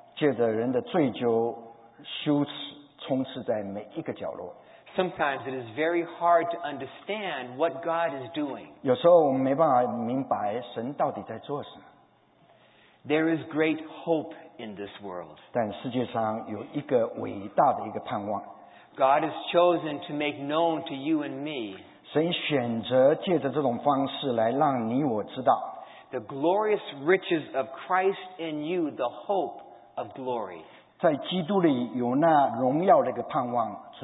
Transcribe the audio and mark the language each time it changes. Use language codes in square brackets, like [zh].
[zh] 借着人的罪疚、羞耻，充斥在每一个角落。 [en] Sometimes it is very hard to understand what God is doing. [zh] 有时候我们没办法明白神到底在做什么。 [en] There is great hope in this world. [zh] 但世界上有一个伟大的一个盼望。 [en] God has chosen to make known to you and me. [zh] 神选择借着这种方式来让你我知道。 [en] The glorious riches of Christ in you, the hope of glory. [zh] 在基督里有那荣耀的一个盼望。